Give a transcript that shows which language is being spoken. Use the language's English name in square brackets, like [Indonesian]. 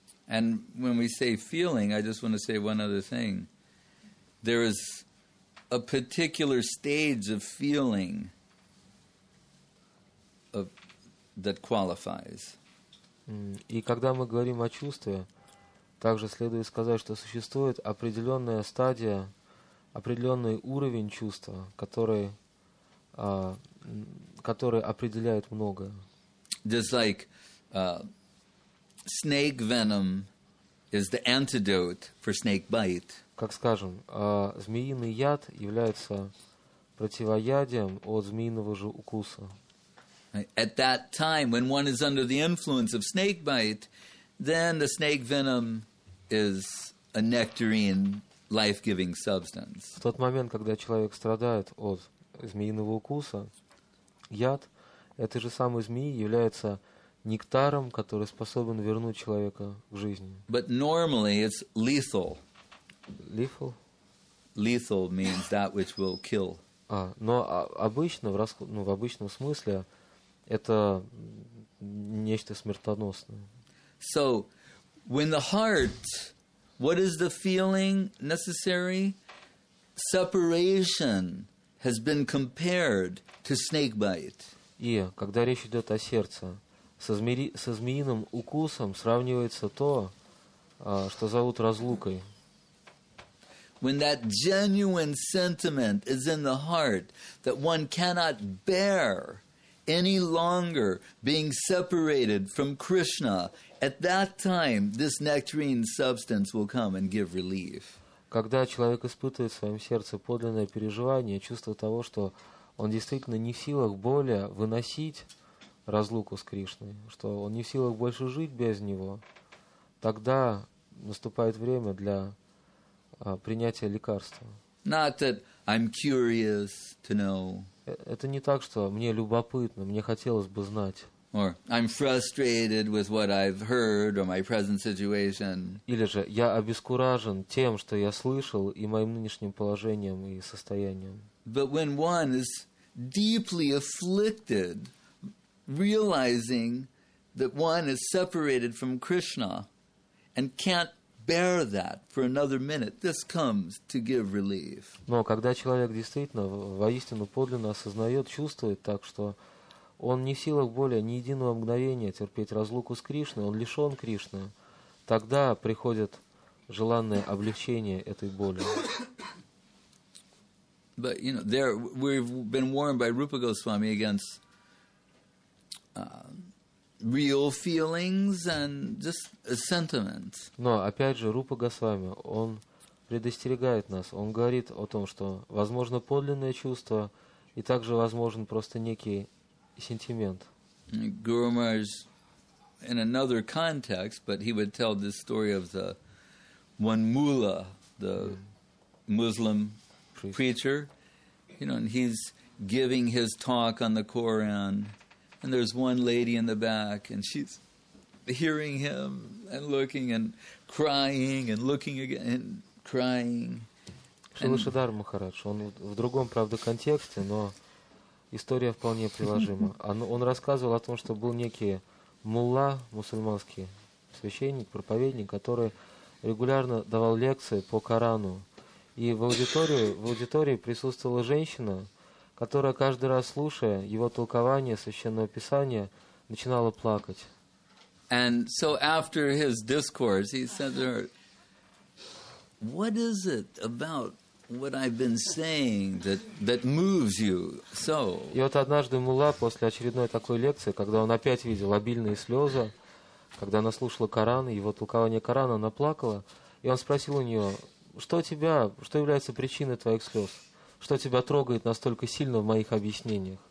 [English] And when we say feeling, I just want to say one other thing. There is a particular stage of feeling that qualifies. [Russian] И когда мы говорим о чувстве, также следует сказать, что существует определенная стадия, определенный уровень чувства, который определяет многое. [English] Just like snake venom is the antidote for snake bite. [Russian] Как скажем, змеиный яд является противоядием от змеиного же укуса. [English] At that time, when one is under the influence of snake bite, then the snake venom is a nectarine, life-giving substance. [Russian] В тот момент, когда человек страдает от змеиного укуса, яд этой же самой змеи является нектаром, который способен вернуть человека к жизни. [English] But normally it's lethal. Lethal? lethal means that which will kill. [Russian] А, но обычно в расход, ну, в обычном смысле это нечто смертоносное. [English] So, when the heart, what is the feeling necessary? Separation has been compared to snake bite. [Russian] И когда речь идет о сердце, со змеиным укусом сравнивается то, что зовут разлукой. [English] When that genuine sentiment is in the heart that one cannot bear any longer being separated from Krishna, at that time this nectarine substance will come and give relief. [Russian] Когда человек испытывает в своем сердце подлинное переживание, чувство того, что он действительно не в силах более выносить разлуку с Кришной, что он не в силах больше жить без него, тогда наступает время для принятия лекарства. [English] Not that I'm curious to know. [Russian] Это не так, что мне любопытно, мне хотелось бы знать. [English] Or I'm frustrated with what I've heard or my present situation. [Russian] Или же я обескуражен тем, что я слышал, и моим нынешним положением и состоянием. [English] But when one is deeply afflicted, realizing that one is separated from Krishna and can't bear that for another minute, this comes to give relief. [Russian] Но когда человек действительно воистину подлинно осознает, чувствует так, что он не в силах более ни единого мгновения терпеть разлуку с Кришной, он лишен Кришны, тогда приходит желанное облегчение этой боли. [English] But, you know, there we've been warned by Rupa Goswami against real feelings and just sentiments. [Russian] Но, опять же, Рупа Госвами, он предостерегает нас, он говорит о том, что возможно подлинное чувство и также возможен просто некий сентимент. [English] Guru Maharaj, in another context, but he would tell this story of the one mullah, the Muslim preacher, you know, and he's giving his talk on the Quran, and there's one lady in the back, and she's hearing him and looking and crying and looking again and crying. [Russian] Шилашидар Махарадж, он в другом, правда, контексте, но история вполне приложима. Он рассказывал о том, что был некий мулла, мусульманский священник, проповедник, который регулярно давал лекции по Корану. И в аудитории присутствовала женщина, которая каждый раз, слушая его толкование Священного Писания, начинала плакать. [English] And so after his discourse, he said to her, what is it about what I've been saying that moves you so? [Russian] И вот однажды мулла после очередной такой лекции, когда он опять видел обильные слезы, когда она слушала Коран, его толкование Корана, она плакала, и он спросил у нее, что является причиной твоих слез? Что тебя трогает настолько сильно в моих объяснениях?